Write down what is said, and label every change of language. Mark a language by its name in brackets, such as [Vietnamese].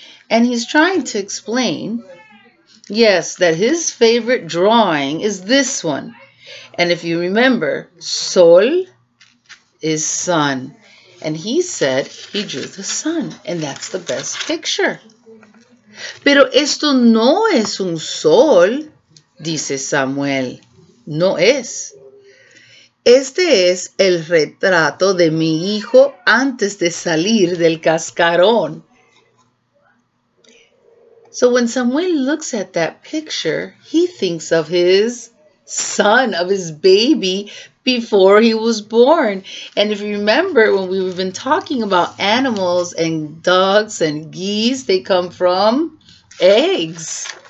[English] And he's trying to explain, yes, that his favorite drawing is this one. And if you remember, sol is sun. And he said he drew the sun, and that's the best picture. [Spanish] Pero esto no es un sol, dice Samuel. No es. Este es el retrato de mi hijo antes de salir del cascarón. [English] So when Samuel looks at that picture, he thinks of his son, of his baby, before he was born. And if you remember, when we've been talking about animals and dogs and geese, they come from eggs.